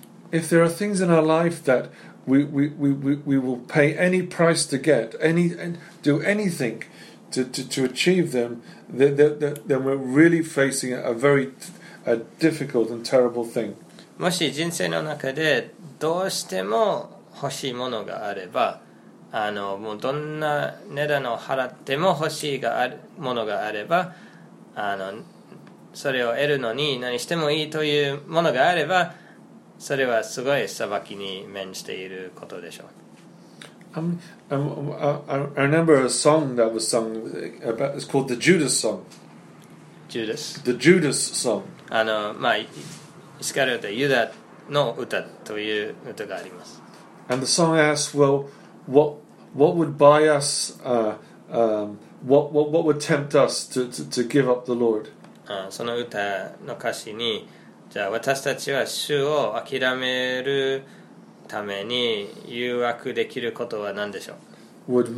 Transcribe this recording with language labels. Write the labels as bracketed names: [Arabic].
[English] If there are things in our life that we will pay any price to get, do anything to achieve them, then we're really facing a very difficult and terrible thing. [Japanese] もし人生の中でどうしても欲しいものがあれば、もうどんな値段を払っても欲しいものがあれば、それを得るのに何してもいいというものがあれば、それはすごい裁きに面していることでしょう。 [English] I remember a song that was sung about. It's called the Judas song. Judas. The Judas song. [Japanese] イスカリオテユダの歌という歌があります。 [English] And the song asks, well, what would buy us, what would tempt us to give up the Lord? [Japanese] その歌の歌詞に、じゃあ私たちは主を諦めるために誘惑できることは何でしょう。